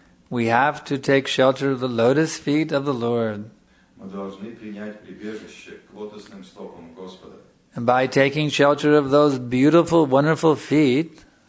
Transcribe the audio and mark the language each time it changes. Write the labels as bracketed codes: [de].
[en] We have to take shelter of the lotus feet of the Lord. [ru] Мы должны принять прибежище к лотосным стопам Господа. [en] And by taking shelter of those beautiful, wonderful feet,